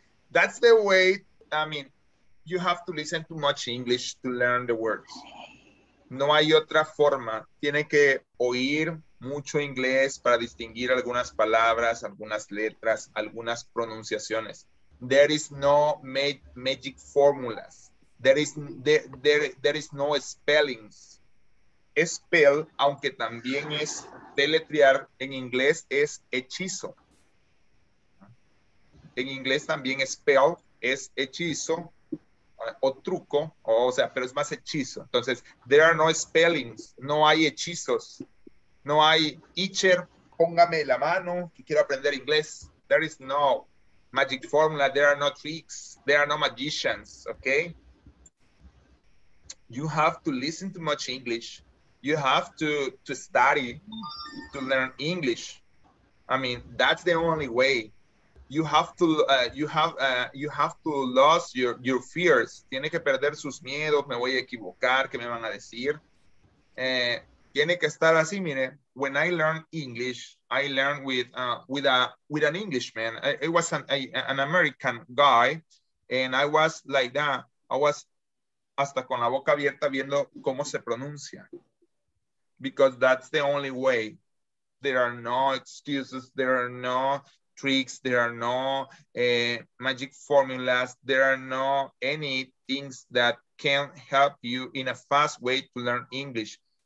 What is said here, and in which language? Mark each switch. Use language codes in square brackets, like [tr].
[en] That's the way, I mean, you have to listen to much English to learn the words. [es] No hay otra forma. Tiene que oír mucho inglés para distinguir algunas palabras, algunas letras, algunas pronunciaciones. [en] There is no magic formulas. There is no spellings. [es] Spell, aunque también es deletrear, en inglés es hechizo. En inglés también spell es hechizo o truco, o sea, pero es más hechizo. Entonces, [en] there are no spellings, [es] no hay hechizos. No hay, teacher, póngame la mano, que quiero aprender inglés. [en] There is no magic formula, there are no tricks, there are no magicians, okay? You have to listen to much English. You have to study to learn English. I mean, that's the only way. You have to lose your fears. [es] Tiene que perder sus miedos, me voy a equivocar, ¿qué me van a decir? Tiene que estar así, mire. [en] When I learned English, I learned with an Englishman. It was an American guy, and I was like that. I was [es] hasta con la boca abierta viendo cómo se pronuncia. [en] Because that's the only way. There are no excuses, there are no tricks, there are no magic formulas, there are no any things that can help you in a fast way to learn English.